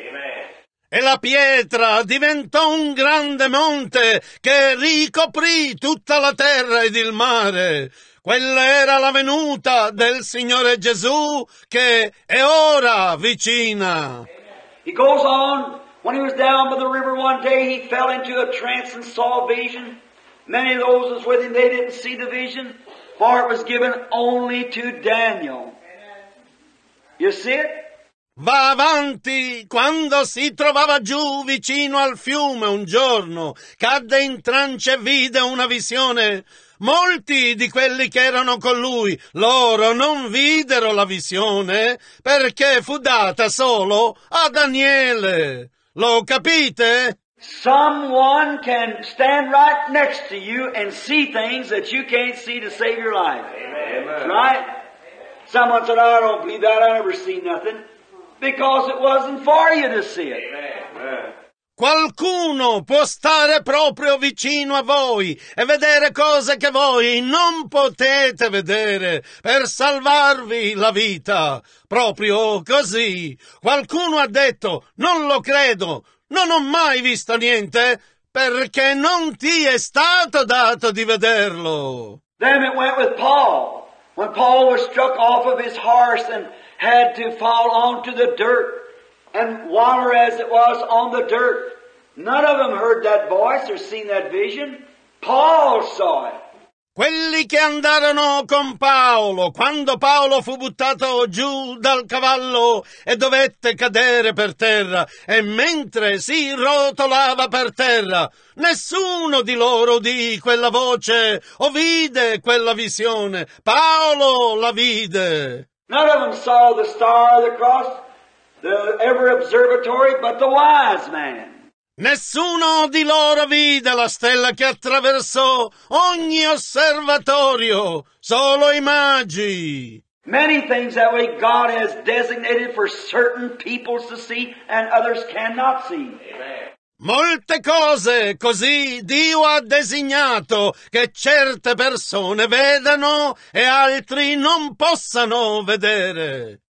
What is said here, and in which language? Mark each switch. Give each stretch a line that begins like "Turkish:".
Italian: Amen. E la pietra diventò un grande monte che ricoprì tutta la terra ed il mare. Quella era la venuta del Signore Gesù che è ora vicina.
English: He goes on, when he was down by the river one day, he fell into a trance and saw a vision. Many of those was with him, they didn't see the vision, for it was given only to Daniel. You see it?
Italian: Va avanti, quando si trovava giù vicino al fiume un giorno, cadde in trance e vide una visione. Molti di quelli che erano con lui, loro non videro la visione, perché fu data solo a Daniele. Lo capite?
English: Someone can stand right next to you and see things that you can't see to save your life. Amen. Right? Someone said, I don't believe that, I never see nothing. Because it wasn't for you to see it. Amen.
Italian: Qualcuno può stare proprio vicino a voi e vedere cose che voi non potete vedere per salvarvi la vita. Proprio così. Qualcuno ha detto, non lo credo, non ho mai visto niente, perché non ti è stato dato di vederlo.
English: Then it went with Paul. When Paul was struck off of his horse and had to fall onto the dirt. And water as it was on the dirt. None of them heard that voice or seen that vision. Paul saw it.
Italian: Quelli che andarono con Paolo, quando Paolo fu buttato giù dal cavallo e dovette cadere per terra, e mentre si rotolava per terra, nessuno di loro udì quella voce o vide quella visione. Paolo la vide.
English: None of them saw the star of the cross. The every observatory but the wise man.
Italian: Nessuno di loro vide la stella che attraversò ogni osservatorio, solo i magi.
English: Many things that way God has designated for certain peoples to see and others cannot see. Amen.
Italian: Molte cose così Dio ha designato che certe persone vedano e altri non possano vedere.